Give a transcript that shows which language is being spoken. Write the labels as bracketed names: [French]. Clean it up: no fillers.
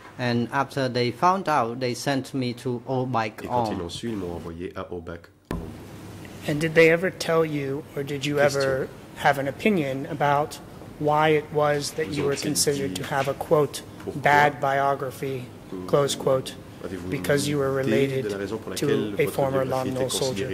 [English] And after they found out, they sent me to Obak. [French] Et quand ils l'ont su, ils m'ont envoyé à Obak. [English] And did they ever tell you, or did you ever have an opinion about why it was that you were considered to have a, quote, bad biography, close quote, because you were related to a former Lan Nol soldier?